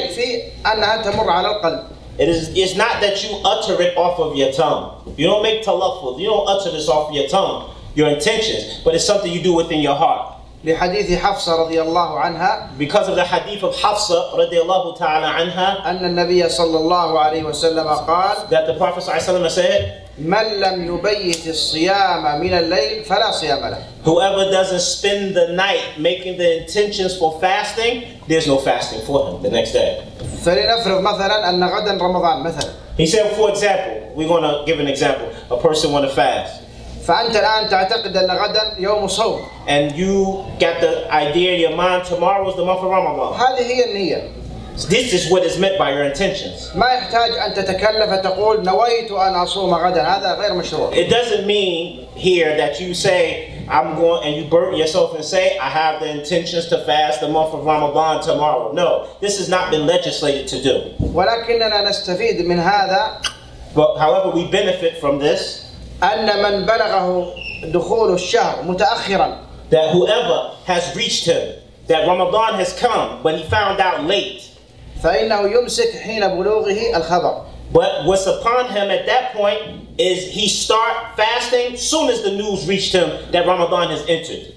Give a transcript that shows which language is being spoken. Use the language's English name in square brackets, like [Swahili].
[English] the next day. It's not that you utter it off of your tongue. You don't make talaffuz, you don't utter this off of your tongue, your intentions, but it's something you do within your heart. [Arabic] لحديث حفصة رضي الله عنها. [English] Because of the hadith of حفصة [Arabic] رضي الله تعالى عنها. أن النبي صلى الله عليه وسلم قال. [English] That the Prophet [Arabic] صلى الله عليه وسلم [English] said. [Arabic] من لم يبيت الصيام من الليل فلا صيام له. [English] Whoever doesn't spend the night making the intentions for fasting, there's no fasting for him the next day. [Arabic] فلنفرض مثلا أن غدا رمضان مثلا. [English] He said, for example, we're going to give an example. A person want to fast. [Arabic] فأنت الآن تعتقد أن غدا يوم صوم. [English] And you got the idea in your mind, tomorrow is the month of Ramadan. [Arabic] هذه هي النية. [English] This is what is meant by your intentions. [Arabic] ما يحتاج أن تتكلف تقول نويت أن أصوم غدا هذا غير مشروع. [English] It doesn't mean here that you say I'm going and you burden yourself and say I have the intentions to fast the month of Ramadan tomorrow. No, this has not been legislated to do. [Arabic] ولكننا نستفيد من هذا. [English] But however, we benefit from this. [Arabic] أن من بلغه دخول الشهر متأخرا. [English] That whoever has reached him, that Ramadan has come, when he found out late. [Arabic] فإنه يمسك حين بلوغه الخبر. [English] But what's upon him at that point is he start fasting soon as the news reached him that Ramadan has entered.